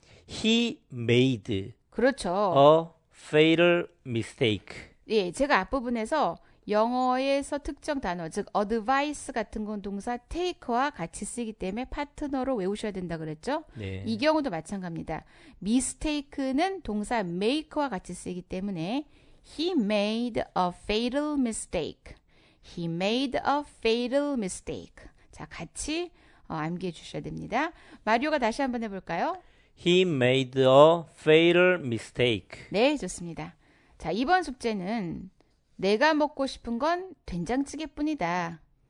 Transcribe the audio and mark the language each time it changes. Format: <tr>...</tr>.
<en>He made.</en> <ko>그렇죠.</ko> <en>A fatal mistake.</en> <ko>예, 네, 제가 앞부분에서 영어에서 특정 단어, 즉 advice 같은 건 동사 take와 같이 쓰기 때문에 파트너로 외우셔야 된다 그랬죠? 네. 이 경우도 마찬가지입니다. mistake는 동사 make와 같이 쓰기 때문에</ko> <en>he made a fatal mistake. He made a fatal mistake.</en> <ko>자, 같이 암기해 주셔야 됩니다. 마리오가 다시 한번 해볼까요?</ko> <en>He made a fatal mistake.</en> <ko>네, 좋습니다. 자, 이번 숙제는 내가 먹고 싶은 건 된장찌개뿐이다.</ko>